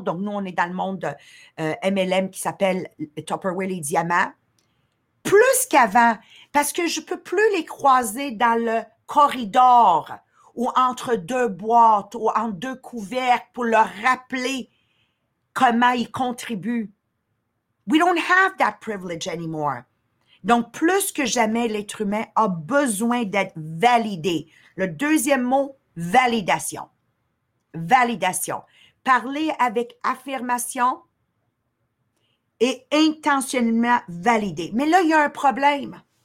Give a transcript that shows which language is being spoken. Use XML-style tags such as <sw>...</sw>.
<fr>Donc, nous, on est dans le monde de, MLM qui s'appelle Tupperware les Diamants. Plus qu'avant, parce que je ne peux plus les croiser dans le corridor ou entre deux boîtes ou entre deux couvercles pour leur rappeler comment ils contribuent.</fr> <en>We don't have that privilege anymore.</en> <fr>Donc, plus que jamais, l'être humain a besoin d'être validé. Le deuxième mot, validation. Validation. Parler avec affirmation et intentionnellement valider. Mais là, il y a un problème.</fr>